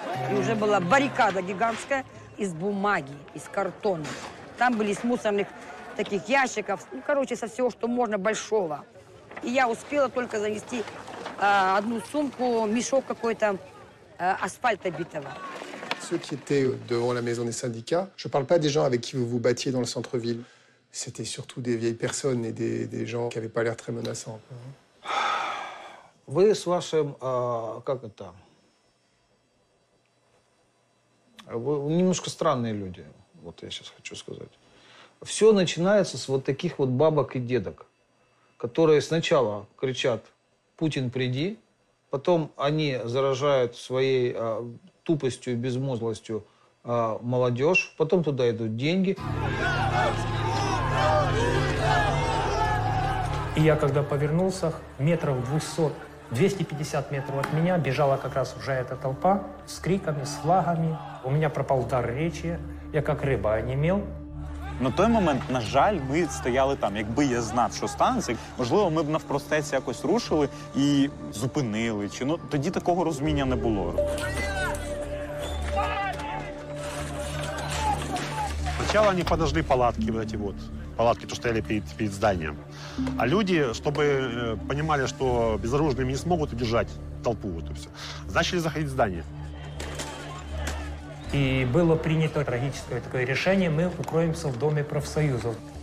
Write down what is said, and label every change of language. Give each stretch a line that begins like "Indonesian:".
Russian: И уже была баррикада гигантская из бумаги, из картона. Там были из мусорных таких ящиков, ну, короче, со всего, что можно, большого. И я успела только занести одну сумку, мешок какой-то асфальта битого.
French: Ceux qui étaient devant la maison des syndicats, je ne parle pas des gens avec qui vous vous battiez dans le centre-ville. C'était surtout des vieilles personnes et des gens qui n'avaient pas l'air très menaçants.
Russian: Вы с вашим, как это, вы немножко странные люди, вот я сейчас хочу сказать. Все начинается с вот таких вот бабок и дедок, которые сначала кричат: «Путин, приди», потом они заражают своей тупостью и безмозглостью молодежь, потом туда идут деньги. И я когда повернулся, метров 250 метров от меня бежала как раз уже эта толпа с криками, с флагами. У меня пропал дар речи, я как рыба онемел.
Ukrainian: На той момент, на жаль, ми стояли там. Якби я знав, що станеться, можливо, ми б навпростець якось рушили і зупинили. Чи, ну, тоді такого розуміння не було.
Russian: Сначала они подожгли палатки, вот эти вот палатки, что стояли перед зданием. А люди, чтобы понимали, что безоружные не смогут удержать толпу, вот и все, начали заходить в здание. И было принято трагическое такое решение: мы укроемся в доме профсоюзов.